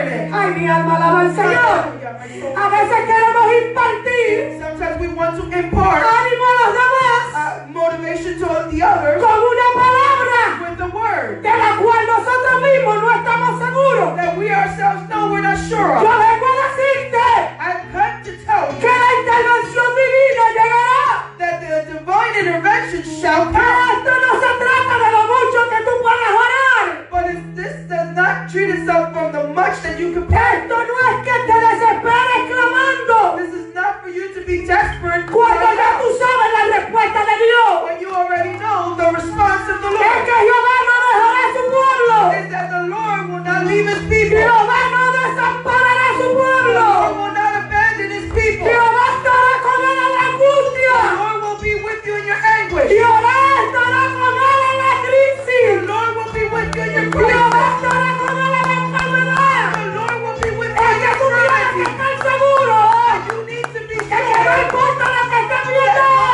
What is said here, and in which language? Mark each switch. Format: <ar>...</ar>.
<es>Ay, mi alma alaba al Señor. A veces queremos impartir ánimo a los demás con una palabra de la cual nosotros mismos no estamos seguros.</es> <en>That we ourselves know we're not sure.</en> <es>Yo vengo a decirte que la intervención divina llegará.</es> <en>That the divine intervention shall come.</en> <es>Pero esto no se trata de lo mucho que tú puedas orar.</es> <en>But if this does not treat itself from the much that you can pray.</en> <es>Esto no es que te desesperes clamando.</es> <en>This is not for you to be desperate.</en> <es>Cuando ya tú sabes la respuesta de Dios.</es> <en>When you already know the response of the Lord.</en> <es>Es que Jehová no dejará su pueblo.</es> <en>Is that the Lord will not leave his people.</en> <es>Jehová no desamparará su pueblo. Jehová estará con él en la angustia.</es> <en>The Lord will be with you in your anguish.</en> <es>Jehová estará con él en la crisis.</es> <en>The Lord will be with you in your crisis.</en> <es>Jehová estará con él en la enfermedad.</es> <en>The Lord will be with you in your crisis.</en> <es>Es que tú tienes que estar seguro.</es> <en>You need to be sure.</en> <es>Es que no importa lo que estés viendo.</es>